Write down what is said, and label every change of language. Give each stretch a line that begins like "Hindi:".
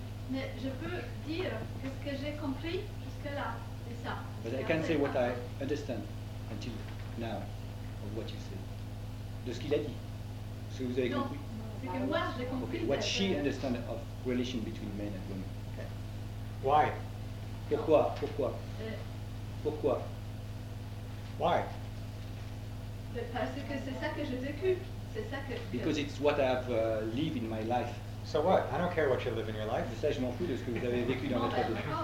French: mais je peux dire qu'est-ce que j'ai compris jusque-là, c'est ça.
English: But I can say what I understand until now of what you said.
French: De ce qu'il a dit. Ce que vous avez compris. C'est que moi, j'ai compris.
English: Okay. What she understand of relation between men and women. Okay. Why?
French: Pourquoi?
English: Why?
French: Parce que c'est ça que j'ai vécu. C'est ça que je...
English: Because it's what I've lived in my life. So what? I don't care what you live in your life.
French: Ça, je m'en fous de ce que vous avez vécu dans votre vie.